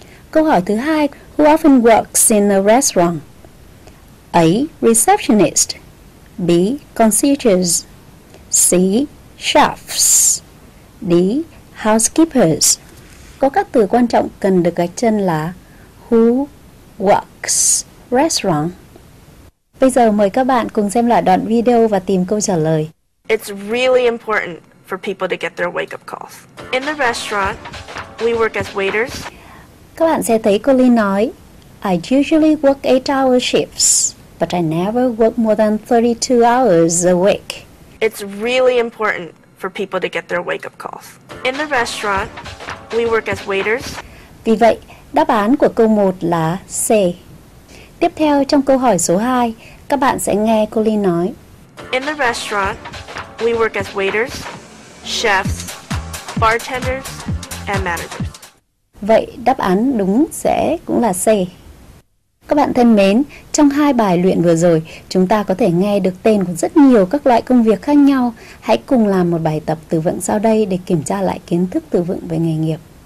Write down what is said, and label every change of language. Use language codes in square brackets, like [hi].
[vi] Câu hỏi thứ hai: [en] Who often works in a restaurant? A. Receptionist. B. Concierges. C. Chefs. D. Housekeepers. [vi] Có các từ quan trọng cần được gạch chân là [en] Who works restaurant. [vi] Bây giờ mời các bạn cùng xem lại đoạn video và tìm câu trả lời. [en] It's really important for people to get their wake-up calls. In the restaurant, we work as waiters. [vi] Các bạn sẽ thấy cô Linh nói [en] I usually work 8-hour shifts. But I never work more than 32 hours a week. It's really important for people to get their wake-up calls. In the restaurant, we work as waiters. [vi] Vì vậy, đáp án của câu 1 là C. Tiếp theo, trong câu hỏi số 2, các bạn sẽ nghe cô Linh nói. [en] In the restaurant, we work as waiters, chefs, bartenders, and managers. [vi] Vậy, đáp án đúng sẽ cũng là C. Các bạn thân mến, trong hai bài luyện vừa rồi, chúng ta có thể nghe được tên của rất nhiều các loại công việc khác nhau. Hãy cùng làm một bài tập từ vựng sau đây để kiểm tra lại kiến thức từ vựng về nghề nghiệp.